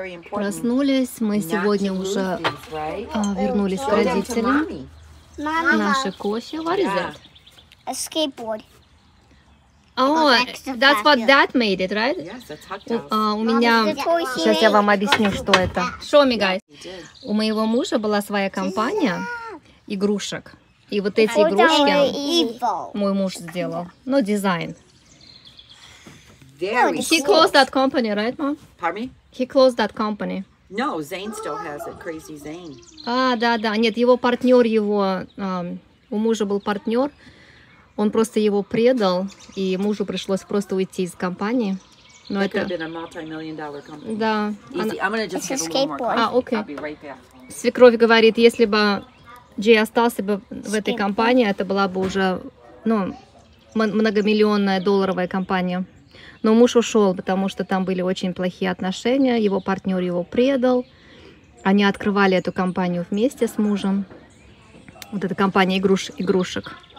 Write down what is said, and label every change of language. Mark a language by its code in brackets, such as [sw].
[ru] Проснулись, мы сегодня уже вернулись к родителям. Наши кофе. [en] What is it? A skateboard. Oh, that's what dad made it, right? [ru] У меня... Сейчас я вам объясню, что это. [en] Show me, guys. [ru] У моего мужа была своя компания игрушек. И вот эти игрушки мой муж сделал. Ну, дизайн. [en] He closed that company, right, mom? Pardon me? He closed that company. No, Zane still has it. Crazy Zane. [ru] А, да-да. Нет, его партнер, его... у мужа был партнер. Он просто его предал, и мужу пришлось просто уйти из компании. Но это... [en] could have been a multi-million dollar company. [ru] Да. [en] Easy. I'm gonna just give a little more coffee. Okay. I'll be right back. [ru] Свекровь говорит, если бы Джей остался бы в этой компании, это была бы уже, ну, многомиллионная долларовая компания. Но муж ушел, потому что там были очень плохие отношения, его партнер его предал. Они открывали эту компанию вместе с мужем. Вот эта компания игрушек.